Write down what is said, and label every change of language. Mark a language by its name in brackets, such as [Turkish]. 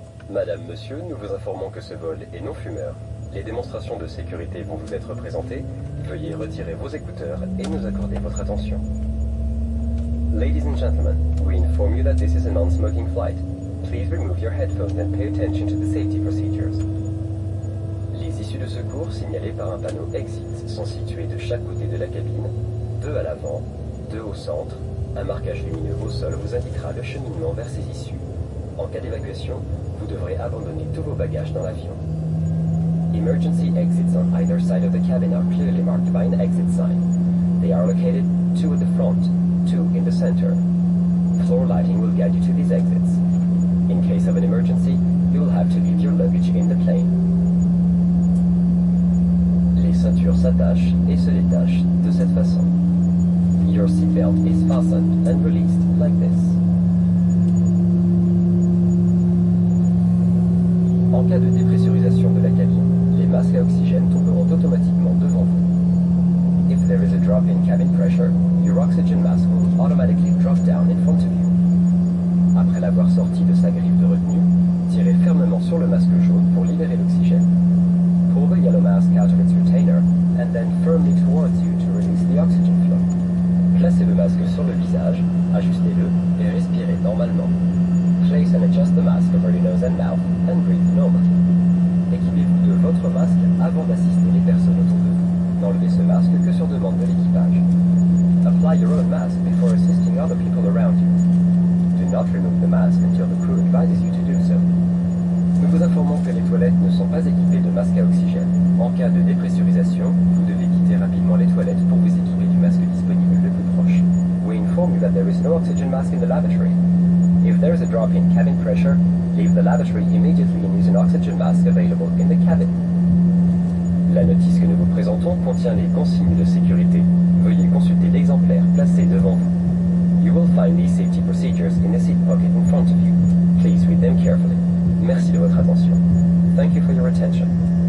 [French] Madame, monsieur, nous vous informons que ce vol est non fumeur. Les démonstrations de sécurité vont vous être présentées. Veuillez retirer vos écouteurs et nous accorder votre attention. [English] Ladies and gentlemen, we inform you that this is a non-smoking flight. Please remove your headphones and pay attention to the safety procedures. [French] Les issues de secours signalées par un panneau exit sont situées de chaque côté de la cabine, deux à l'avant, deux au centre. Un marquage lumineux au sol vous indiquera le cheminement vers ces issues. En cas d'évacuation, vous devrez abandonner tous vos bagages dans l'avion. [English] Emergency exits on either side of the cabin are clearly marked by an exit sign. They are located two at the front, two in the center. Floor lighting will guide you to these exits. In case of an emergency, you will have to leave your luggage in the plane. [French] Les ceintures s'attachent et se détachent de cette façon. [English] Your seatbelt is fastened and released like this. [French] En cas de dépressurisation de la cabine, les masques à oxygène tomberont automatiquement devant vous. [English] If there is a drop in cabin pressure, your oxygen mask will automatically drop down in front of you. [French] Après l'avoir sorti de sa grille de retenue, tirez fermement sur le masque jaune pour libérer l'oxygène. [English] Pull the yellow mask out of its retainer and then firmly towards you to release the oxygen flow. [French] Placez le masque sur le visage, ajustez-le et respirez normalement. [English] Place and adjust the mask over your nose and mouth and breathe normally. [French] Équipez-vous de votre masque avant d'assister les personnes autour de vous. N'enlevez ce masque que sur demande de l'équipage. [English] Apply your own mask before assisting other people around you. Do not remove the mask until the crew advises you to do so. [French] Nous vous informons que les toilettes ne sont pas équipées de masques à oxygène. En cas de dépressurisation, vous devez quitter rapidement les toilettes pour vous équiper du masque disponible le plus proche. [English] We inform you that there is no oxygen mask in the lavatory. If there is a drop in cabin pressure, leave the lavatory immediately and use an oxygen mask available in the cabin. La notice que nous vous présentons contient les consignes de sécurité. Veuillez consulter l'exemplaire placé devant vous. You will find these safety procedures in the seat pocket in front of you. Please read them carefully. [French] Merci de votre attention. [English] Thank you for your attention.